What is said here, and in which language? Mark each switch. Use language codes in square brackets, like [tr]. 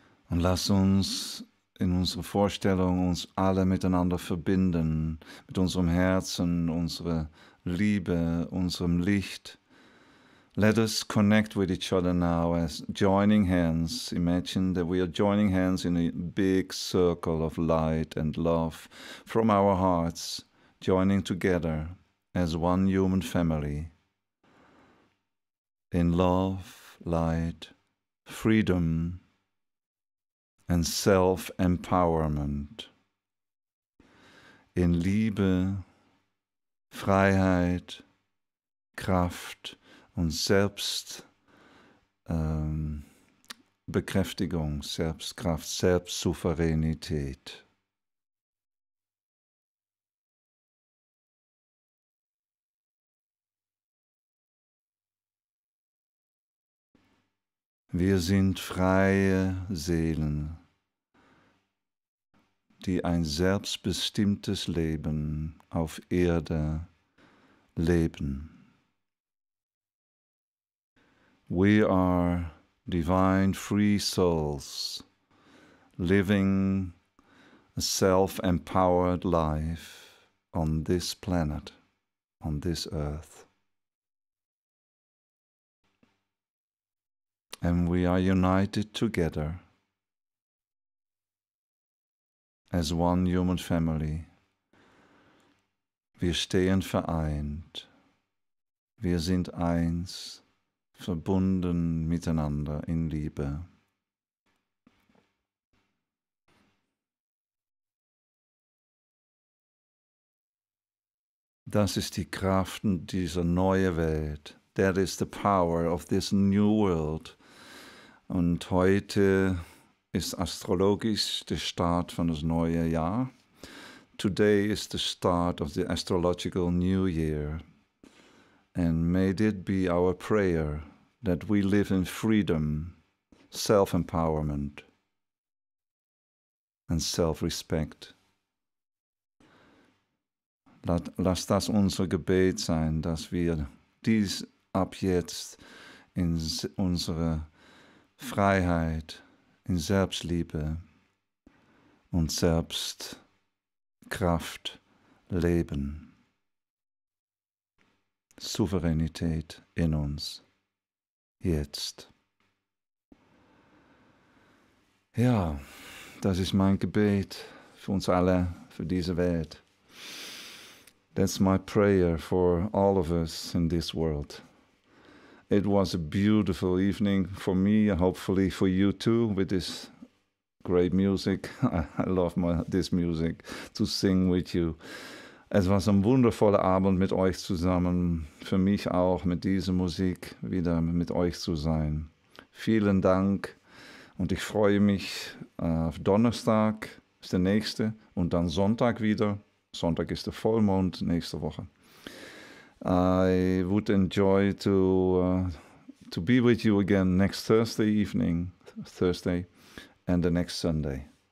[de] Und lass uns in unserer Vorstellung uns alle miteinander verbinden, mit unserem Herzen, unserer Liebe, unserem Licht. [en] Let us connect with each other now as joining hands. Imagine that we are joining hands in a big circle of light and love from our hearts, joining together as one human family. In love, light, freedom, and self-empowerment. [de] In Liebe, Freiheit, Kraft, und Selbstbekräftigung, Selbstkraft, Selbstsouveränität. Wir sind freie Seelen, die ein selbstbestimmtes Leben auf Erde leben. [en] We are divine free souls living a self-empowered life on this planet, on this earth. And we are united together as one human family. [de] Wir stehen vereint. Wir sind eins. Verbunden miteinander in Liebe. Das ist die Kraft dieser neuen Welt. [en] That is the power of this new world. [de] Und heute ist astrologisch der Start von das neue Jahr. [en] Today is the start of the astrological new year. And may it be our prayer that we live in freedom, self-empowerment, and self-respect. [de] Lass das unser Gebet sein, dass wir dies ab jetzt in unsere Freiheit, in Selbstliebe und Selbstkraft leben. Souveränität in uns. Jetzt. Ja, das ist mein Gebet für uns alle, für diese Welt. [en] That's my prayer for all of us in this world. It was a beautiful evening for me, hopefully for you too, with this great music. I love this music to sing with you. [de] Es war so ein wundervoller Abend mit euch zusammen, für mich auch mit dieser Musik wieder mit euch zu sein. Vielen Dank und ich freue mich auf Donnerstag, ist der nächste, und dann Sonntag wieder. Sonntag ist der Vollmond nächste Woche. [en] I would enjoy to be with you again next Thursday evening, Thursday and the next Sunday.